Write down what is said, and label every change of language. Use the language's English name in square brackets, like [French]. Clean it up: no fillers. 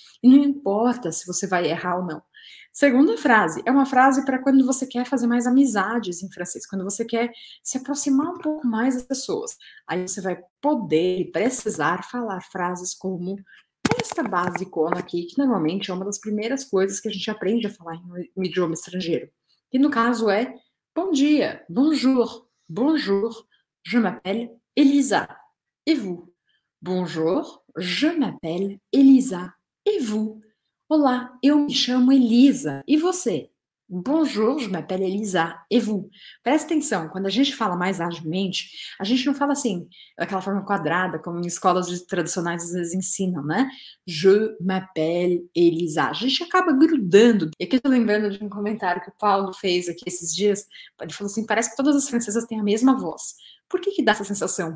[Portuguese] E não importa se você vai errar ou não. Segunda frase, é uma frase para quando você quer fazer mais amizades em francês, quando você quer se aproximar um pouco mais das pessoas. Aí você vai poder e precisar falar frases como esta basicona aqui, que normalmente é uma das primeiras coisas que a gente aprende a falar em um idioma estrangeiro. E no caso é: bom dia, [French] bonjour, bonjour, je m'appelle Elisa, et vous? Bonjour, je m'appelle Elisa, et vous? [Portuguese] Olá, eu me chamo Elisa. E você? [French] Bonjour, je m'appelle Elisa. Et vous? [Portuguese] Presta atenção, quando a gente fala mais agilmente, a gente não fala assim, daquela forma quadrada, como em escolas tradicionais às vezes ensinam, né? [French] Je m'appelle Elisa. [Portuguese] A gente acaba grudando. E aqui eu tô lembrando de um comentário que o Paulo fez aqui esses dias. Ele falou assim: parece que todas as francesas têm a mesma voz. Por que que dá essa sensação?